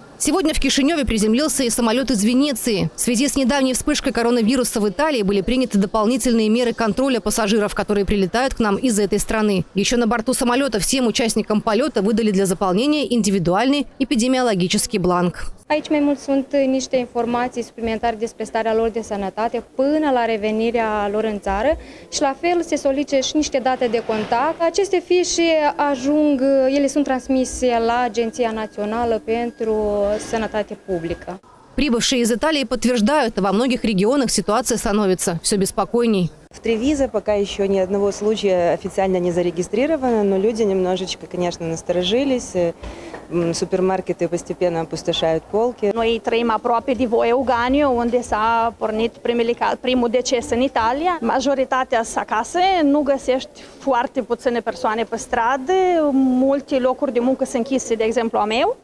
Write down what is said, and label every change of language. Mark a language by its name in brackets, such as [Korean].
[Russian] Сегодня в Кишиневе приземлился и самолет из Венеции. В связи с недавней вспышкой коронавируса в Италии были приняты дополнительные меры контроля пассажиров, которые прилетают к нам из этой страны. Еще на борту самолета всем участникам полета выдали для заполнения индивидуальный эпидемиологический бланк. [Romanian] Aici mai mult sunt niște informații suplimentare despre starea lor de sănătate până la revenirea lor în țară și la fel se solicită și niște date de contact. Aceste fișe ajung, ele sunt transmise la Agenția Națională pentru Sănătate Publică. [Russian] Прибывшие из Италии подтверждают, во многих регионах ситуация становится все беспокойней. В Тревизо пока еще ни одного случая официально не зарегистрировано, но люди немножечко, конечно, насторожились. Супермаркеты постепенно опустошают полки. Мы живем почти в Воеуганию, где начался первый деcес в Италии. [Romanian] Majoritatea са acasă, nu găsești foarte puține persoane pe stradă. Multe locuri de muncă sunt închise, de exemplu, a meu.